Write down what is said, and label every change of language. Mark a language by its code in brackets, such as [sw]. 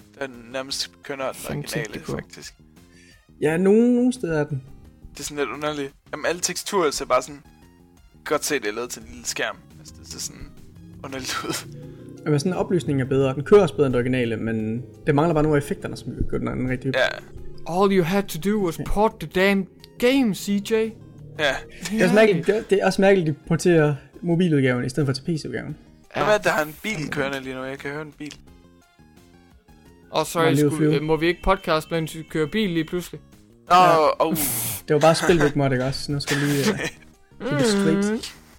[da] Den er nærmest kønner den originale, faktisk. Ja, nogen steder er den. Det er sådan lidt underligt. Jamen, alle teksturer ser bare sådan... Godt set, det er lavet til en lille skærm. Altså, det ser sådan underligt ud. Jamen, sådan en opløsning er bedre. Den kører også bedre end det originale, men... Det mangler bare nogle af effekterne, som gør den anden rigtig... Ja. [en] All you had to do was port the damn game, CJ. [da] Ja. Det er også mærkeligt, at de porterer mobiludgaven i stedet for til PC-udgaven. Ja. Hvad er det, der har en bil kørende lige nu? Jeg kan høre en bil. Og så må vi ikke podcaste, mens vi kører bil lige pludselig? Det var bare spil, ikke måtte, ikke også? Nu skal vi lige kigge straight.